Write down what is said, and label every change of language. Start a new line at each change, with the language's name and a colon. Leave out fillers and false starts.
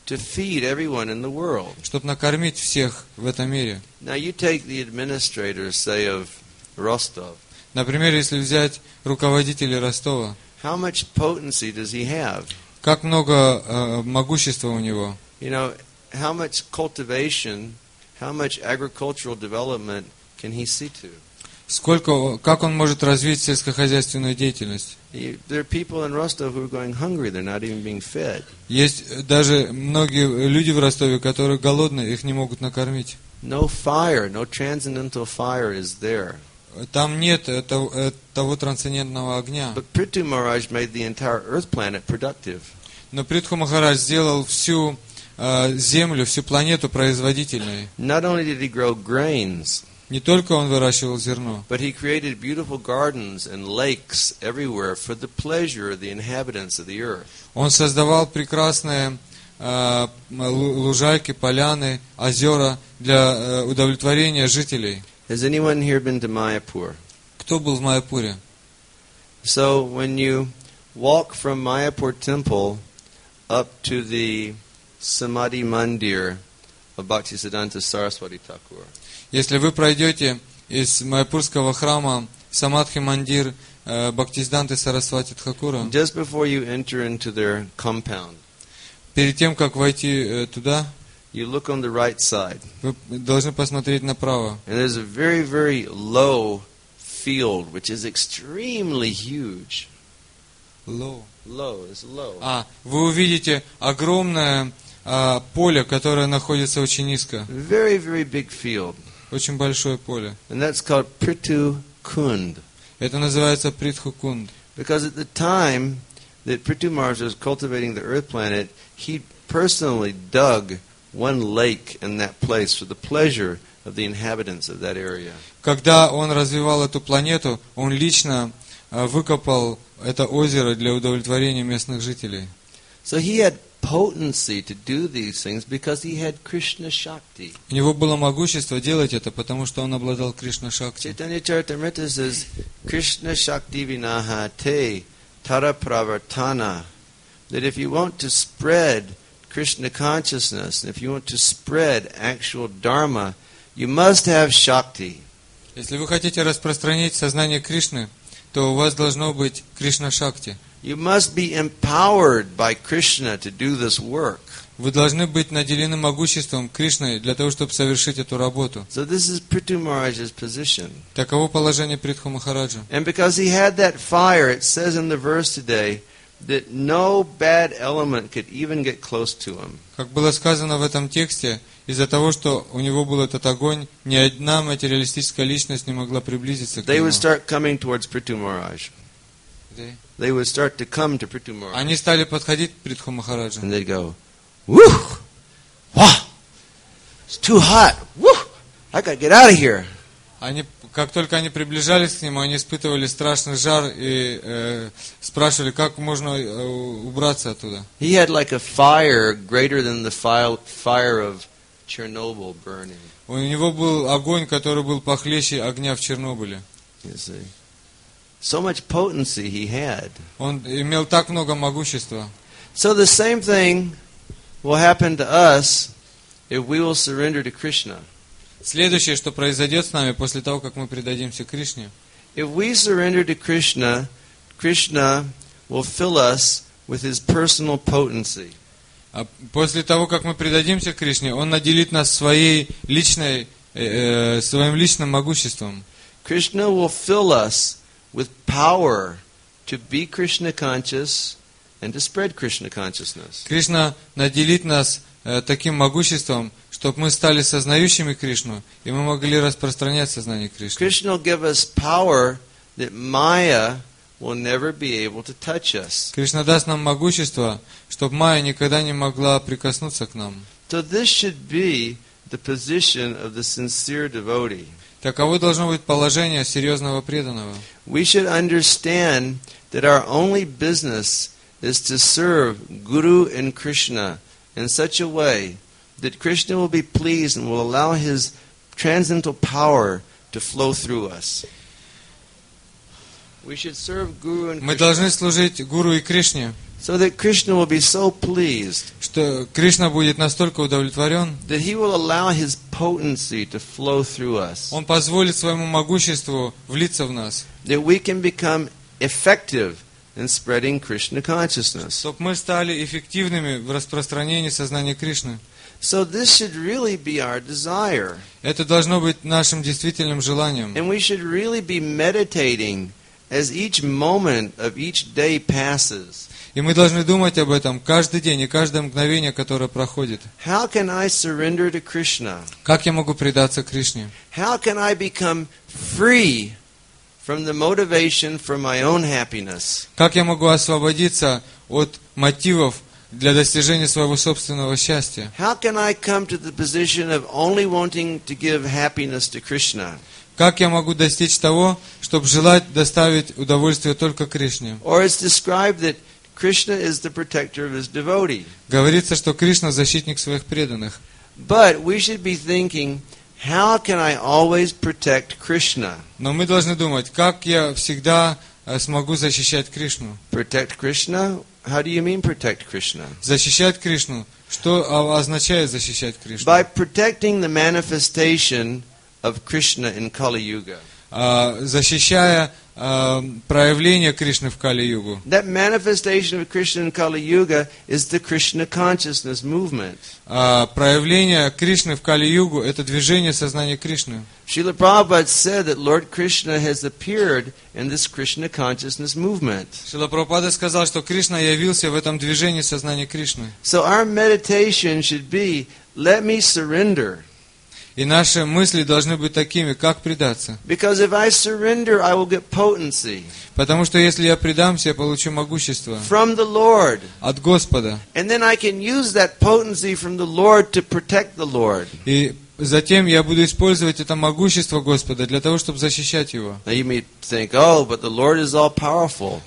English: to feed everyone in the world.
Russian: Чтобы накормить всех в этом мире.
English: Now you take the administrators, say, of Rostov.
Russian: Например, если взять руководителя Ростова.
English: How much potency does he have?
Russian: Как много могущества у него?
English: You know, how much cultivation, how much agricultural development can he see to?
Russian: Сколько, как он может развить сельскохозяйственную деятельность? Есть даже многие люди в Ростове, которые голодны, их не могут накормить.
English: No fire, no transcendental fire is there.
Russian: Там нет того трансцендентного огня.
English: But Prithu Maharaj made the entire earth planet productive.
Russian: Но Притху Махарадж сделал всю землю, всю планету производительной.
English: Not only did he grow grains,
Russian: не только он выращивал зерно,
English: but he created beautiful gardens and lakes everywhere for the pleasure of the inhabitants of the earth.
Russian: Он создавал прекрасные лужайки, поляны, озера для удовлетворения жителей.
English: Has anyone here been to Mayapur?
Russian: Кто был в Майяпуре?
English: So when you walk from Mayapur temple up to the Samadhi Mandir of Bhaktisiddhanta Saraswati Thakur.
Russian: Если вы пройдете из Майяпурского храма Самадхи Мандир Бхактисиддханты Сарасвати Тхакура,
English: just before you enter into their compound,
Russian: перед тем, как войти туда,
English: you look on the right side.
Russian: Вы должны посмотреть направо.
English: And there's a very, very low field, which is extremely huge. Low. Low, it's low.
Russian: А, вы увидите огромное поле, которое находится очень низко.
English: Very, very big field.
Russian: Очень большое поле.
English: And that's called Prithu Kund.
Russian: Это называется Притху Кунд.
English: Because at the time that Prithu Maharaj was cultivating the earth planet, he personally dug one lake in that place for the pleasure of the inhabitants of that area.
Russian: Когда он развивал эту планету, он лично выкопал это озеро для удовлетворения местных жителей.
English: So he had potency to do these things because he had Krishna Shakti.
Russian: У него было могущество делать это, потому что он обладал Кришна Шакти.
English: Chaitanya Charitamrita says,
Bangla: Krishna Shakti Vinaha Te Tara Pravartana.
English: That if you want to spread Krishna consciousness, if you want to spread actual Dharma, you must have Shakti.
Russian: Если вы хотите распространить сознание Кришны, то у вас должно быть Кришна Шакти.
English: You must be empowered by Krishna to do this work.
Russian: Вы должны быть наделены могуществом Кришны для того, чтобы совершить эту работу.
English: So this is Prithu Maharaj's position.
Russian: Таково положение Притху Махараджа.
English: And because he had that fire, it says in the verse today that no bad element could even get close to him.
Russian: Как было сказано в этом тексте, из-за того, что у него был этот огонь, ни одна материалистическая личность не могла приблизиться к нему.
English: They would start coming towards Prithu Maharaj. They would start to come to Prithu Maharaj.
Russian: Они стали подходить к Притху Махараджу.
English: And they'd go, "Woo! Wah! It's too hot. Woo! I got to get out of here."
Russian: Они, как только они приближались к нему, они испытывали страшный жар и спрашивали, как можно убраться оттуда.
English: He had like a fire greater than the fire of Chernobyl burning.
Russian: У него был огонь, который был похлеще огня в Чернобыле.
English: So much potency he had.
Russian: Он имел так много могущества.
English: So the same thing will happen to us if we will surrender to Krishna.
Russian: Следующее, что произойдет с нами после того, как мы предадимся Кришне.
English: If we surrender to Krishna, Krishna will fill us with his personal potency.
Russian: А после того, как мы предадимся Кришне, он наделит нас своей личной своим личным могуществом.
English: Krishna will fill us with power to be Krishna conscious and to spread Krishna consciousness.
Russian: Кришна наделит нас таким могуществом, чтобы мы стали сознающими Кришну, и мы могли распространять сознание Кришны.
English: Krishna will give us power that Maya will never be able to touch us.
Russian: Кришна даст нам могущество, чтобы Майя никогда не могла прикоснуться к нам.
English: So this should be the position of the sincere devotee.
Russian: Таково должно быть положение серьезного преданного.
English: We should understand that our only business is to serve Guru and Krishna in such a way that Krishna will be pleased and will allow his transcendental power to flow through us. We should serve Guru and Krishna.
Russian: Мы должны служить Гуру и Кришне.
English: So that Krishna will be so pleased.
Russian: Что Кришна будет настолько удовлетворен.
English: That he will allow his potency to flow through us.
Russian: Он позволит своему могуществу влиться в нас.
English: That we can become effective in spreading Krishna consciousness.
Russian: Чтоб мы стали эффективными в распространении сознания Кришны.
English: So this should really be our desire.
Russian: Это должно быть нашим действительным желанием.
English: And we should really be meditating as each moment of each day passes.
Russian: И мы должны думать об этом каждый день и каждое мгновение, которое проходит.
English: How can I surrender to Krishna?
Russian: Как я могу предаться Кришне?
English: How can I become free from the motivation for my own happiness?
Russian: Как я могу освободиться от мотивов для достижения своего собственного счастья?
English: How can I come to the position of only wanting to give happiness to Krishna?
Russian: Как я могу достичь того, чтобы желать доставить удовольствие только Кришне?
English: Or it's described that Krishna is the protector of his devotee.
Russian: Говорится, что Кришна защитник своих преданных.
English: But we should be thinking, how can I always protect Krishna?
Russian: Но мы должны думать, как я всегда смогу защищать Кришну?
English: Protect Krishna? How do you mean protect Krishna?
Russian: Защищать Кришну. Что означает защищать Кришну?
English: By protecting the manifestation of Krishna in Kali Yuga.
Russian: Защищая проявление Кришны в Кали-югу.
English: That manifestation of Krishna in Kali-yuga is the Krishna consciousness movement.
Russian: Проявление Кришны в Кали-югу это движение сознания Кришны.
English: Srila Prabhupada said that Lord Krishna has appeared in this Krishna consciousness movement.
Russian: Srila Prabhupada сказал, что Кришна явился в этом движении сознания Кришны.
English: So our meditation should be, let me surrender.
Russian: И наши мысли должны быть такими, как предаться.
English: Because if I surrender, I will get potency.
Russian: Потому что если я предамся, я получу могущество.
English: From the Lord.
Russian: От Господа.
English: And then I can use that potency from the Lord to protect the Lord.
Russian: И затем я буду использовать это могущество Господа для того, чтобы защищать его.
English: Now you may think, oh, but the Lord is all powerful.